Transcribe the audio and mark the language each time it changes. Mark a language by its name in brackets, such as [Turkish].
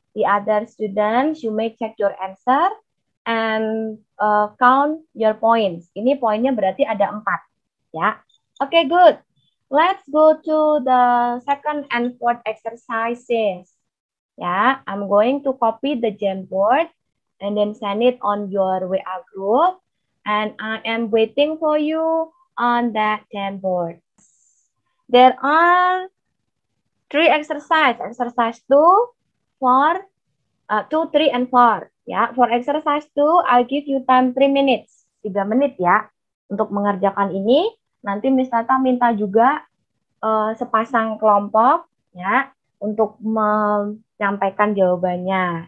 [English] The other students, you may check your answer and count your points. [Indonesian] Ini poinnya berarti ada 4. [English] Ya. Okay, good. Let's go to the second and fourth exercises. Yeah, I'm going to copy the Jamboard and then send it on your WA group. And I am waiting for you on that Jamboard. There are 3 exercises. Exercise 2, 4, 2, 3, and 4. Yeah, for exercise 2, I'll give you time 3 minutes. [Indonesian] 3 menit ya untuk mengerjakan ini. Nanti Miss Tata minta juga sepasang kelompok ya untuk menyampaikan jawabannya.